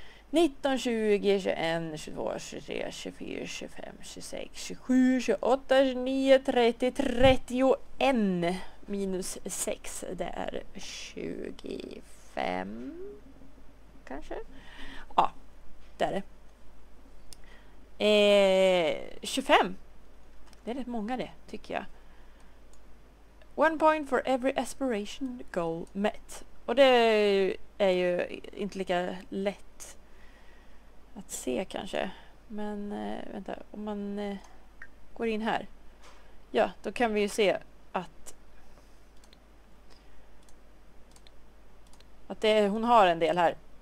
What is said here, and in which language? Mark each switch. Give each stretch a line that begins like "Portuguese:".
Swedish: 19, 20, 21, 22, 23, 24, 25, 26, 27, 28, 29, 30, 31 minus 6. Det är 25, kanske? Ja, där är det. 25. Det är rätt många det, tycker jag.
English: 1 point for every aspiration goal met.
Swedish: Och det är ju inte lika lätt att se kanske, men vänta, om man går in här, ja, då kan vi ju se att det, hon har en del här.